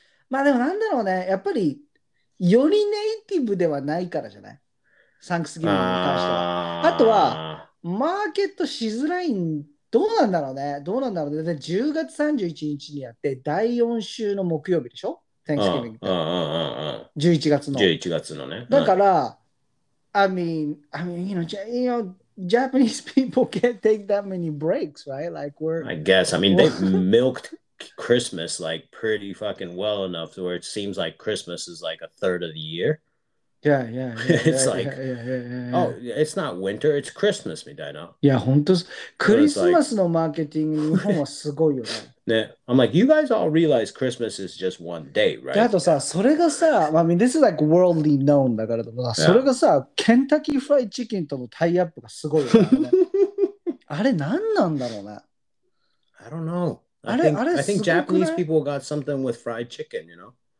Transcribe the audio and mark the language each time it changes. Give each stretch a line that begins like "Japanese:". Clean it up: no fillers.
Japanese: まあでもなんだろうね。やっぱり、よりネイティブではないからじゃない？サンクスギブに関しては。あとは、マーケットしづらいん、どうなんだろうね。どうなんだろうね。で、10月31日にやって、第4週の木曜日でしょ？サンクスギブに。11月のね。だから、
English: I mean, you know, Japanese people can't take that many breaks, right? Like, I guess. I mean, they've milked Christmas, like, pretty fucking well enough to where it seems like Christmas is, like, a third of the year. Yeah. Oh, it's not winter, it's Christmas, みたいな。
Japanese: いや、本当、クリスマスのマーケティング、日本はすごいよね。
English: I'm like, you guys all realize Christmas is just one day, right?
Japanese: あとさ、それがさ、
English: I mean, this is like worldly known
Japanese: だからとか、それがさ、ケンタッキーフライチキンとのタイアップがすごいよね。あれ、何なんだろうね。
English: I don't know. I think Japanese people got something with fried chicken, you know?